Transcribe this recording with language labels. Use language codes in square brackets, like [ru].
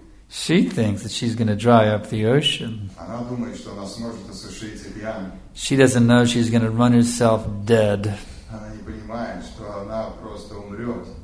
[en] She thinks that she's going to dry up the ocean. [ru] Она думает, что она сможет осушить океан. [en] She doesn't know she's going to run herself dead. [ru] Она не понимает, что она просто умрет.